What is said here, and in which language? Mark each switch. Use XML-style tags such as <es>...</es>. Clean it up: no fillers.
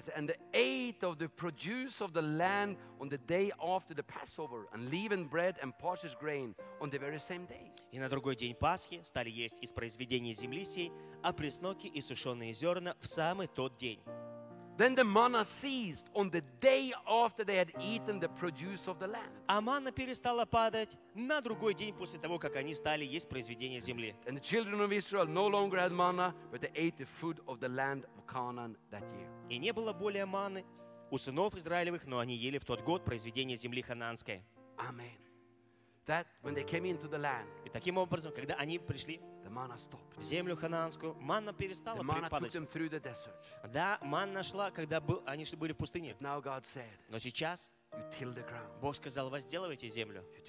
<en>And the eighth of the produce of the land on the day after the Passover, unleavened bread and parched grain on the very same day.</en> <ru>И на другой день Пасхи стали есть из произведений земли сей, а пресноки и сушеные зерна в самый тот день.</ru> <en>Then the manna ceased on the day after they had eaten the produce of the land.</en> <ru>А манна перестала падать на другой день после того, как они стали есть произведения земли.</ru> <en>And the children of Israel no longer had manna, but they ate the food of the land of Canaan that year.</en> <ru>И не было более манны у сынов Израилевых, но они ели в тот год произведения земли Хананской.</ru> <en>Amen. That when they came into the land.</en> <ru>И таким образом, когда они пришли в землю Ханаанскую, манна перестала падать. Да, манна шла, когда они были в пустыне. Но сейчас Бог сказал, возделывайте землю.</ru>